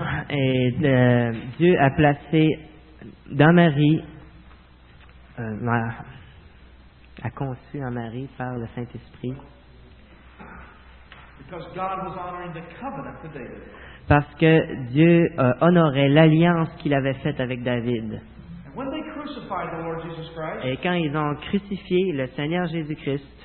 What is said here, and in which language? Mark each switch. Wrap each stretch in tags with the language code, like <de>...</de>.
<fr>Et Dieu a placé dans Marie, a conçu en Marie par le Saint-Esprit.</fr> <en>Because God was honoring the covenant to David.</en> <fr>Parce que Dieu honorait l'alliance qu'il avait faite avec David.</fr> <en>And when they crucified the Lord Jesus Christ,</en> <fr>et quand ils ont crucifié le Seigneur Jésus-Christ,</fr>